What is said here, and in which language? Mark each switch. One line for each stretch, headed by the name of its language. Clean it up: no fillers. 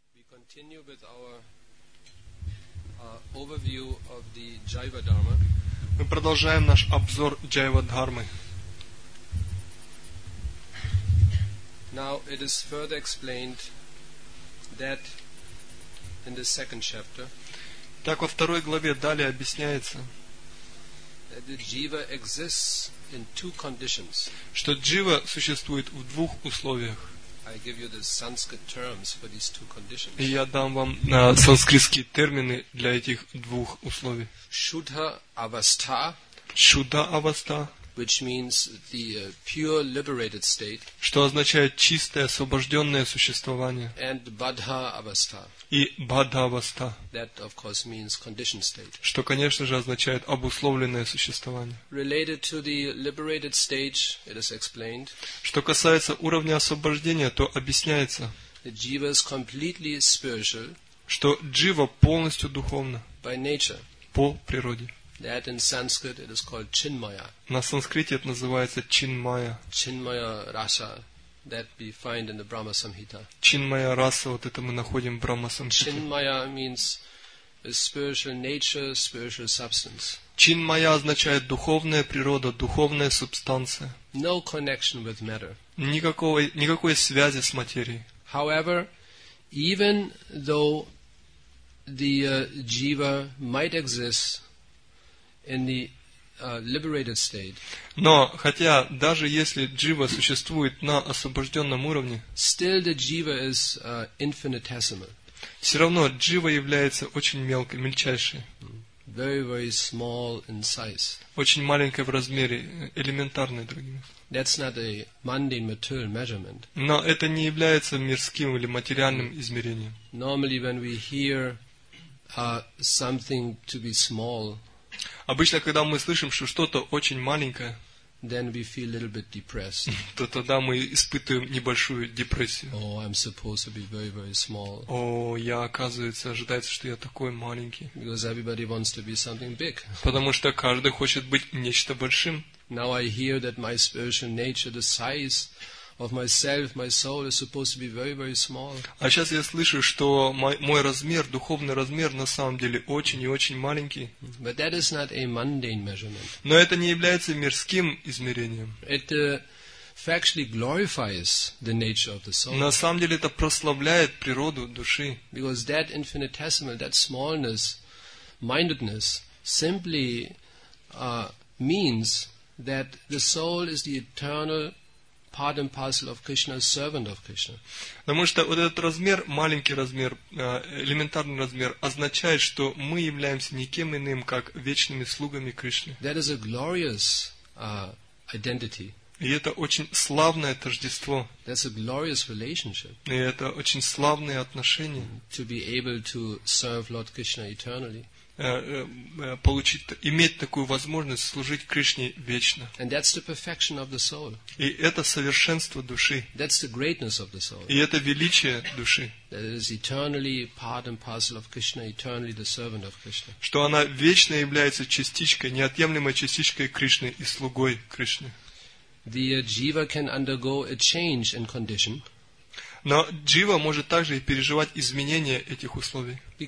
English: continue with our overview of the Jiva Dharma.
Russian: Мы продолжаем наш обзор Джайва Дхармы.
English: Now it is further explained that in the second chapter.
Russian: Так во второй главе далее объясняется,
English: that the Jiva exists in two conditions.
Russian: Что Джива существует в двух условиях.
English: I give you the Sanskrit terms for these two conditions.
Russian: Я дам вам санскритские термины для этих двух условий.
Sanskrit: Шудха авастха. Шудха авастха.
English: Which means the pure liberated state.
Russian: Что означает чистое освобожденное существование.
Sanskrit: And бадха авастха. И бадха авастха.
English: That of course means conditioned state.
Russian: Что конечно же означает обусловленное существование.
English: Related to the liberated stage, it is explained.
Russian: Что касается уровня освобождения, то объясняется.
English: The jiva is completely spiritual.
Russian: Что джива полностью духовна.
English: By nature.
Russian: По природе.
English: That in Sanskrit it is called chinmaya.
Russian: На санскрите это называется чинмая.
English: Chinmaya rasa that we find in the Brahma Samhita.
Russian: Чинмая раса, вот это мы находим в Брахма Самхите.
English: Chinmaya means a spiritual nature, spiritual substance.
Russian: Чинмая означает духовная природа, духовная субстанция.
English: No connection with matter.
Russian: Никакой связи с материей.
English: However, even though the jiva might exist in the liberated state.
Russian: Но хотя даже если джива существует на освобожденном уровне,
English: still the jiva is infinitesimal.
Russian: Все равно джива является очень мелкой, мельчайшей.
English: Very, very small in size.
Russian: Очень маленькой в размере, элементарной, другими.
English: That's not a mundane material measurement.
Russian: Но это не является мирским или материальным измерением.
English: Normally, when we hear something to be small.
Russian: Обычно, когда мы слышим, что что-то очень маленькое, то тогда мы испытываем небольшую депрессию. Я, оказывается, ожидается, что я такой маленький.
English: Because everybody wants to be something big.
Russian: Потому что каждый хочет быть нечто большим.
English: Now I hear that my spiritual nature, the size of myself, my soul is supposed to be very, very small.
Russian: А сейчас я слышу, что мой размер, духовный размер, на самом деле очень и очень маленький.
English: But that is not a mundane measurement.
Russian: Но это не является мирским измерением.
English: It factually glorifies the nature of the soul.
Russian: На самом деле это прославляет природу души.
English: Because that infinitesimal, that smallness, mindedness, simply means that the soul is the eternal part and parcel of Krishna, servant of Krishna.
Russian: Потому что вот этот размер, маленький размер, элементарный размер, означает, что мы являемся никем иным, как вечными слугами Кришны.
English: That is a glorious identity.
Russian: И это очень славное тождество.
English: That's a glorious relationship.
Russian: И это очень славные отношения.
English: To be able to serve Lord Krishna eternally.
Russian: Получить, иметь такую возможность служить Кришне вечно.
English: And that's the perfection of the soul.
Russian: И это совершенство души.
English: That's the greatness of the soul.
Russian: И это величие души.
English: That is eternally part and parcel of Krishna, eternally the servant of Krishna.
Russian: Что она вечно является частичкой, неотъемлемой частичкой Кришны и слугой Кришны.
English: The jiva can undergo a change in condition.
Russian: Но джива может также и переживать изменения этих условий.